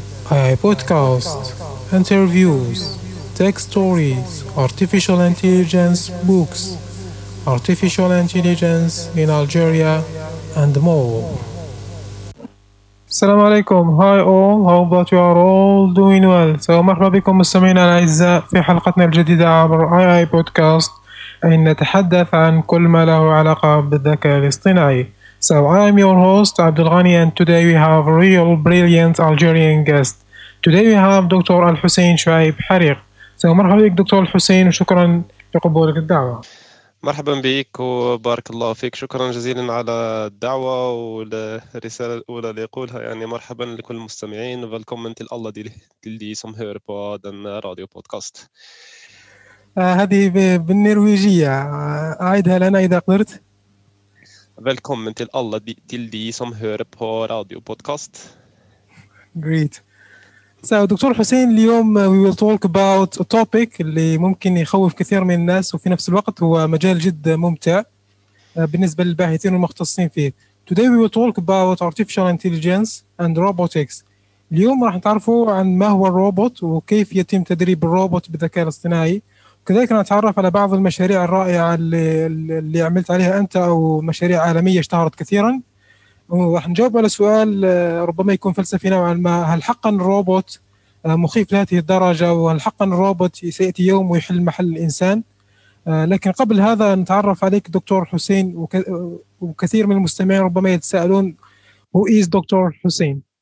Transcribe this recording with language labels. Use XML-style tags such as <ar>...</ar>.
<en>AI Podcast, interviews, tech stories, artificial intelligence books, artificial intelligence in Algeria, and more. Assalamu alaikum. Hi all, hope that you are all doing well.</en> <ar>So, مرحبا بكم مستمعينا الاعزاء في حلقتنا الجديدة عبر AI Podcast. أن نتحدث عن كل ما له علاقة بالذكاء الاصطناعي.</ar> <en>So I am your host Abdul Ghani, and today we have a real brilliant Algerian guest. Today we have Dr. Al Hussein Shuaib Hariq.</en> <ar>So مرحبا بك دكتور الحسين وشكرا لقبولك الدعوة. مرحبا بك وبارك الله فيك. شكرا جزيلا على الدعوة والرسالة الأولى اللي يقولها يعني مرحبا لكل المستمعين ولكم انت الله اللي سم هير بودن راديو بودكاست. هذه بالنرويجية أعيدها لنا إذا قدرت.</ar> <no>Välkommen till alla till de som hör på radio podcast.</no> <en>Great.</en> <ar>So دكتور حسين اليوم</ar> <en>we will talk about a topic</en> <ar>اللي ممكن يخوف كثير من الناس وفي نفس الوقت هو مجال جد ممتع بالنسبة للباحثين والمختصين فيه.</ar> <en>Today we will talk about artificial intelligence and robotics.</en> <ar>اليوم راح نتعرفوا عن ما هو الروبوت وكيف يتم تدريب الروبوت بالذكاء الاصطناعي. كذلك نتعرف على بعض المشاريع الرائعة اللي عملت عليها أنت أو مشاريع عالمية اشتهرت كثيراً. وراح نجاوب على سؤال ربما يكون فلسفي نوعاً ما، هل حقاً الروبوت مخيف لهذه الدرجة؟ وهل حقاً الروبوت سيأتي يوم ويحل محل الإنسان؟ لكن قبل هذا نتعرف عليك دكتور حسين، وكثير من المستمعين ربما يتساءلون</ar> <en>Who is</en> <ar>دكتور حسين؟</ar>